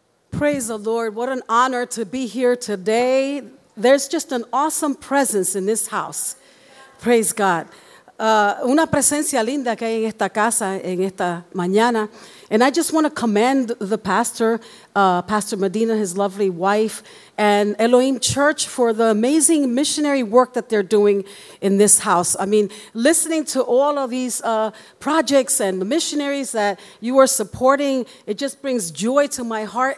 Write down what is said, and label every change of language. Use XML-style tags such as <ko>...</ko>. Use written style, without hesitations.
<en>Praise the Lord. What an honor to be here today. There's just an awesome presence in this house. Praise God.</en> <es>Una presencia linda que hay en esta casa, en esta mañana.</es> <en>And I just want to commend the pastor, Pastor Medina, his lovely wife, and Elohim Church for the amazing missionary work that they're doing in this house. I mean, listening to all of these projects and the missionaries that you are supporting, it just brings joy to my heart.</en>